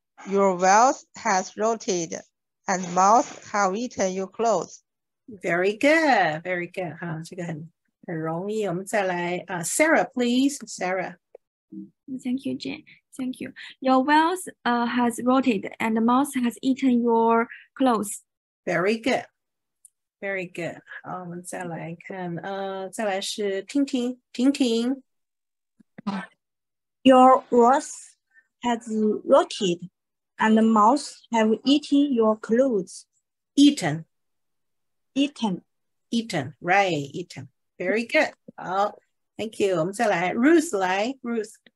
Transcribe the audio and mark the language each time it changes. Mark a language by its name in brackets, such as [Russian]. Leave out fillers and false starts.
[English] Your wealth has rotted, and moths have eaten your clothes. Very good. [Chinese] 哈，这个很容易。我们再来啊， [English] Sarah, please, Sarah. Thank you, Jane. Thank you. Your wealth has rotted, and the moth has eaten your clothes. Very good. Very good. [Chinese] 好，我们再来看，再来是婷婷。 [English] Your wealth has rotted, and the moth have eaten your clothes. Eaten. Right. Eaten. Very good. 好，thank you. [Chinese] 我们再来 [English] ，Ruth 来 ，Ruth。